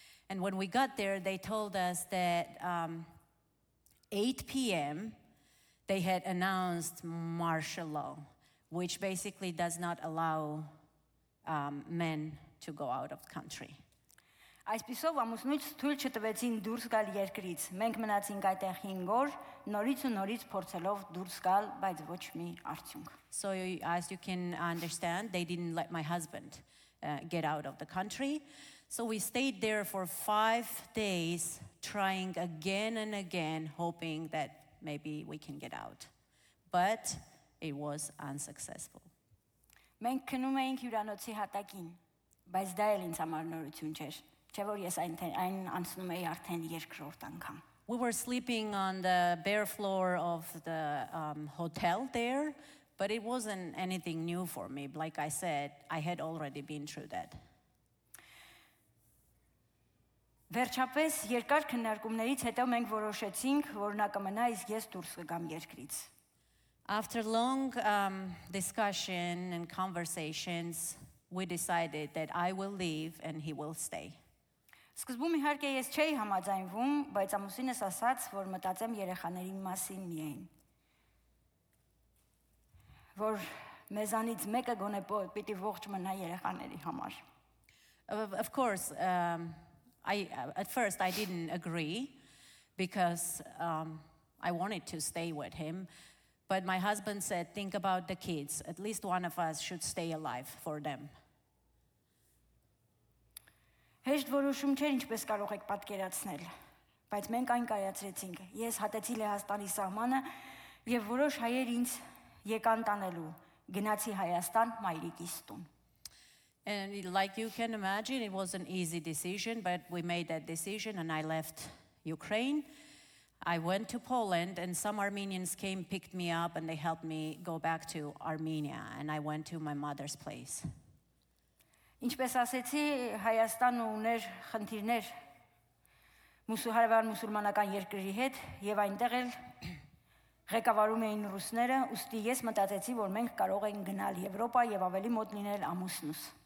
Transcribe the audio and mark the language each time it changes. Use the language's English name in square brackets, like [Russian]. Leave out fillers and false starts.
[English] And when we got there, they told us that 8 p.m., they had announced martial law, which basically does not allow men to go out of the country. [Armenian] Այսպիսով ամուսնուց թույլ չտվեցին դուրս գալ երկրից։ Մենք մնացինք այդտեղ 5 օր, նորից ու նորից փորձելով դուրս գալ, բայց ոչ մի արդյունք։ [English] So as you can understand, they didn't let my husband get out of the country. So we stayed there for 5 days, trying again and again, hoping that maybe we can get out. But it was unsuccessful. [Armenian] Մենք քնում էինք հյուրանոցի հատակին, բայց դա էլ ինձ համար նորություն չէր, չէ՞ որ ես այն անցնում էի արդեն երկրորդ անգամ. [English] We were sleeping on the bare floor of the hotel there, but it wasn't anything new for me. Like I said, I had already been through that. [Armenian] Վերջապես երկար քննարկումներից հետո մենք որոշեցինք, որ նա կմնա, իսկ ես դուրս կգամ երկրից. [English] After long discussion and conversations, we decided that I will leave and he will stay. [Armenian] Սկզբում իհարկե ես չէի համաձայնվում, բայց ամուսինս ասաց, որ մտածեմ երեխաների մասին միայն, որ մեզանից մեկը գոնե պիտի ողջ մնա երեխաների համար. [English] Of course, at first I didn't agree because I wanted to stay with him. But my husband said, think about the kids. At least one of us should stay alive for them. [Armenian] Հեշտ որոշում չէր, ինչպես կարող եք պատկերացնել, բայց մենք այն կայացրեցինք։ Ես հատեցի Հայաստանի սահմանը եւ որոշ հայեր ինձ եկան տանելու, գնացի Հայաստան մայրիկիս տուն։ [English] And like you can imagine, it was an easy decision, but we made that decision and I left Ukraine. I went to Poland and some Armenians came, picked me up and they helped me go back to Armenia and I went to my mother's place. [Armenian] Ինչպես ասեցի, Հայաստանը ուներ խնդիրներ մուսուլմանական երկրի հետ եւ այնտեղ էլ ղեկավարում էին ռուսները, ուստի ես մտածեցի, որ մենք կարող ենք գնալ Եվրոպա եւ ավելի մոտ լինել ամուսնուս.